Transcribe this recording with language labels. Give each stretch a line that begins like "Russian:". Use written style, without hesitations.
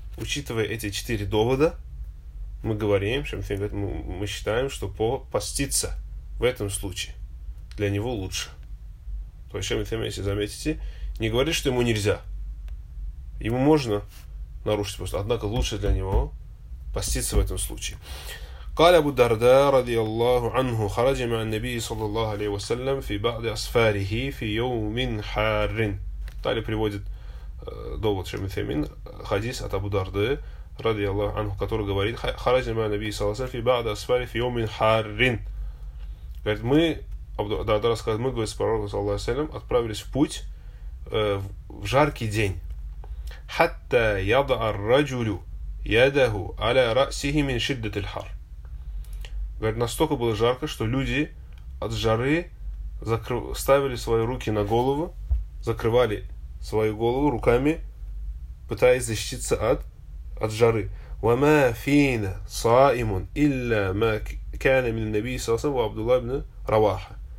Russian: Учитывая эти четыре довода, мы говорим, мы считаем, что поститься в этом случае для него лучше. То есть, Шейх Мусаймин, если заметите, не говорит, что ему нельзя. Ему можно нарушить пост, однако лучше для него поститься в этом случае.
Arabic: قال أبو الدرداء رضي الله عنه خرج مع النبي صلى الله عليه وسلم في بعض أسفاره في يوم حار.
Russian: Далее приводит довод Шейх Мусаймин, хадис от Абу Дарды
Arabic: رضي الله عنه,
Russian: который говорит,
Arabic: خرج مع النبي صلى الله عليه وسلم في بعض أسفاره في يوم حار.
Russian: Говорит, мы, Абу Дарда рассказывает, мы, говорит, с пророком
Arabic: صلى الله عليه وسلم
Russian: отправились в путь в жаркий день.
Arabic: حتى يضع الرجل يده على رأسه من شدة الحر.
Russian: Говорит, настолько было жарко, что люди от жары ставили свои руки на голову, закрывали свою голову руками, пытаясь защититься от жары.
Arabic: وَمَا فِينَ صَائِمٌ إِلَّا مَا كَانَ مِنَ النَّبِي صَلَّى اللَّهُ عَلَيْهِ وَعَبْدُ اللَّهِ بْنِ رَوَاحَ.